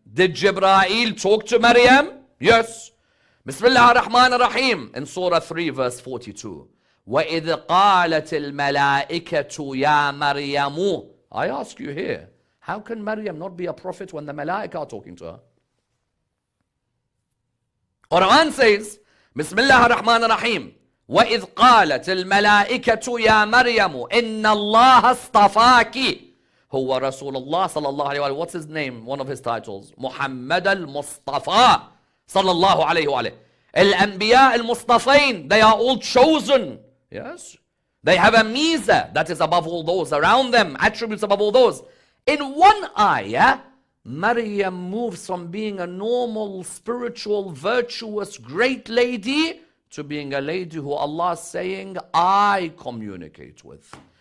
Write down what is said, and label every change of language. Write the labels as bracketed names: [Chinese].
[English] Did Jibreel talk to Maryam? Yes. [Arabic] Bismillah ar-Rahman ar-Rahim [English] in Surah 3 verse 42. [Arabic] وَإِذْ قَالَتِ الْمَلَائِكَةُ يَا مَرْيَمُ. [English] I ask you here, how can Maryam not be a prophet when the Malaika are talking to her? Quran says, [Arabic] Bismillah ar-Rahman ar-Rahim, وَإِذْ قَالَتِ الْمَلَائِكَةُ يَا مَرْيَمُ إِنَّ اللَّهَ اصْطَفَاكِ. هُوَ رَسُولُ اللَّهِ صَلَى اللَّهُ عَلَيْهُ وَالِهِ. [English] What's his name? One of his titles. [Arabic] Muhammad al-Mustafa صَلَى اللَّهُ عَلَيْهُ وَالِهِ. الأنبياء المصطفين, [English] they are all chosen. Yes. They have a miza that is above all those around them, attributes above all those. In one ayah, Maryam moves from being a normal, spiritual, virtuous, great lady to being a lady who Allah is saying, I communicate with.